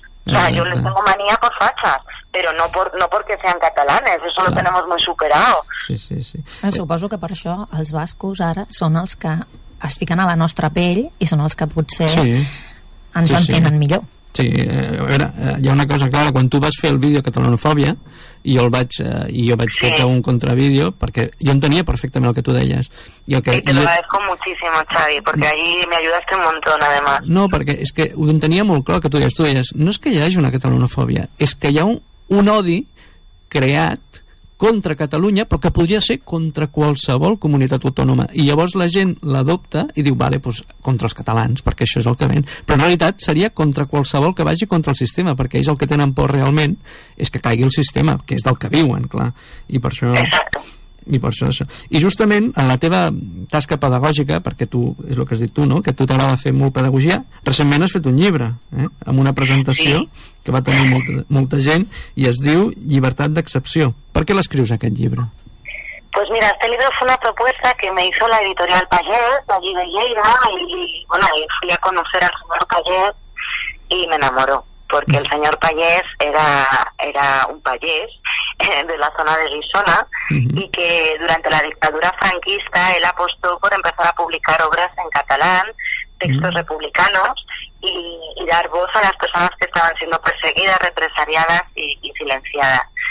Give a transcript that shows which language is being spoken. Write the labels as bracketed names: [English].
[Spanish] O sea, yo les tengo manía por fachas, pero no porque sean catalanes, eso lo tenemos muy superado. Sí, sí, sí. [Catalan] Suposo que per això els bascos ara són els que es fiquen a la nostra pell i són els que potser ens entenen millor. Sí, a veure, hi ha una cosa clara, quan tu vas fer el vídeo catalanofòbia i jo vaig fer un contravídeo, perquè jo entenia perfectament el que tu deies. I el que, [Spanish] sí, te lo agradezco muchísimo, Xavi, porque allí me ayudaste un montón, además. [Catalan] No, perquè és que ho entenia molt clar, que tu deies, no és que hi hagi una catalanofòbia, és que hi ha un odi creat contra Catalunya, però que podria ser contra qualsevol comunitat autònoma. I llavors la gent l'adopta i diu, vale, doncs contra els catalans, perquè això és el que ven. Però en realitat seria contra qualsevol que vagi contra el sistema, perquè ells el que tenen por realment és que caigui el sistema, que és del que viuen, clar. I per això... I per això, això. I justament en la teva tasca pedagògica, perquè tu, és el que has dit tu, no?, que tu t'agrada fer molt pedagogia, recentment has fet un llibre, amb una presentació que va tenir molta gent, i es diu Llibertat d'excepció. Per què l'escrius, aquest llibre? [Spanish] Pues mira, este libro fue una propuesta que me hizo la editorial Pallés, allí de Lleida, y fui a conocer al señor Pallés y me enamoró. Porque el señor Pallés era un Pallés de la zona de Gisona y que durante la dictadura franquista él apostó por empezar a publicar obras en catalán, textos republicanos y dar voz a las personas que estaban siendo perseguidas, represaliadas y silenciadas.